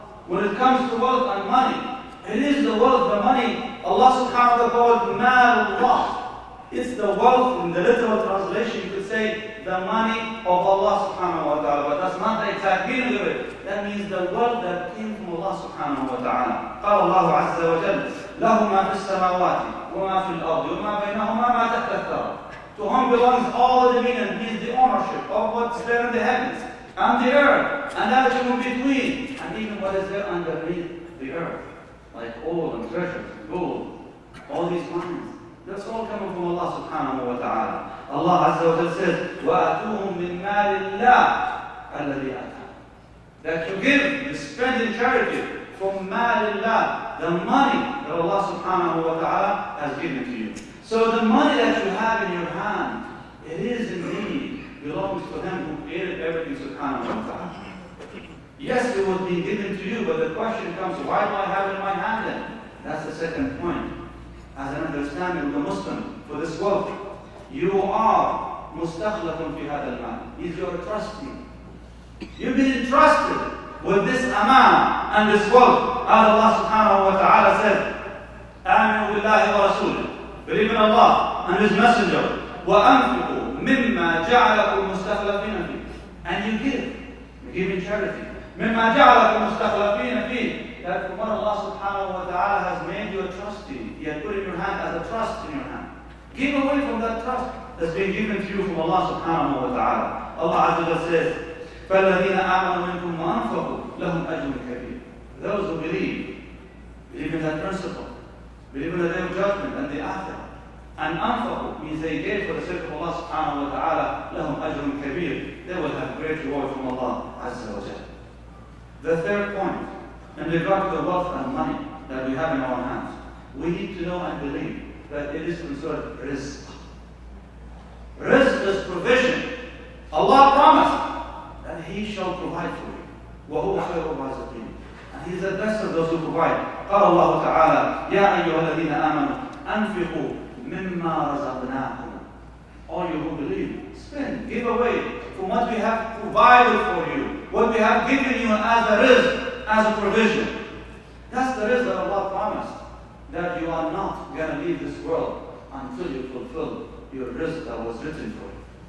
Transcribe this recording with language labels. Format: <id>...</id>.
<en>When it comes to wealth and money, it is the wealth, the money. Allah subhanahu wa ta'ala called malullah. It's the wealth. In the literal translation, you could say the money of Allah subhanahu wa ta'ala, but that's not the exact meaning of it. That means the wealth that came from Allah subhanahu wa ta'ala.</en> <ar>قال الله عز وجل له ما في السماوات وما في الأرض وما بينهما ما تحت الثرى.</ar> <en>To whom belongs all of the meaning? He is the ownership of what's there in the heavens and the earth, and everything in between, and even what is there underneath the earth, like oil and treasure, gold, all these mines. That's all coming from Allah subhanahu wa ta'ala. Allah azza wa jal says,</en> <ar>وَأَتُوهُم مِّن مَالِ اللَّهِ الَّذِي أَتَاهُ.</ar> <en>That you give, you spend in charity from</en> <ar>مَالِ اللَّهِ,</ar> <en>the money that Allah subhanahu wa ta'ala has given to you. So the money that you have in your hand, it is indeed belongs to Him who created everything subhanahu wa ta'ala. Yes, it will be given to you, but the question comes, why do I have it in my hand then? That's the second point. As an understanding of the Muslim for this world, you are</en> <ar>mustakhlafun fi hadha al-mal.</ar> <en>Is your trustee. You've been entrusted with this amount and this world. As Allah subhanahu wa ta'ala said,</en> <ar>Aminu billahi wa rasooli.</ar> <en>Believe in Allah and His Messenger.</en> <ar>وَأَنْفِقُوا مِمَّا جَعَلَكُمْ مُسْتَخْلَفِينَ فِيهِ.</ar> <en>And you give. You give in charity.</en> <ar>مِمَّا جَعَلَكُمْ مُسْتَخْلَفِينَ فِيهِ.</ar> <en>That from what Allah subhanahu wa ta'ala has made you a trustee. He has put in your hand as a trust in your hand. Give away from that trust that's been given to you from Allah subhanahu wa ta'ala. Allah Azza wa Jalla says,</en> <ar>فَالَّذِينَ آمَنُوا مِنْكُمْ وَأَنْفَقُوا لَهُمْ أَجْرٌ كَبِيرٌ.</ar> <en>Those who believe in that principle, believe in the day of judgment and the after. And anfaqu means they gave for the sake of Allah subhanahu wa ta'ala,</en> <ar>lahum ajrun kabir.</ar> <en>They will have great reward from Allah azza wa jal. The third point, in regard to the wealth and money that we have in our hands, we need to know and believe that it is considered rizq. Rizq is provision. Allah promised that He shall provide for you.</en> <ar>Wa huwa khayru raziqin.</ar> <en>And He's the best of those who provide.</en> <ar>قال الله تعالى يا أيها الذين آمنوا أنفقوا مما رزقناكم.</ar> <en>All you who believe, spend, give away from what we have provided for you, what we have given you as a rizq, as a provision. That's the rizq that Allah promised, that you are not going to leave this world until you fulfill your rizq that was written for you.</en>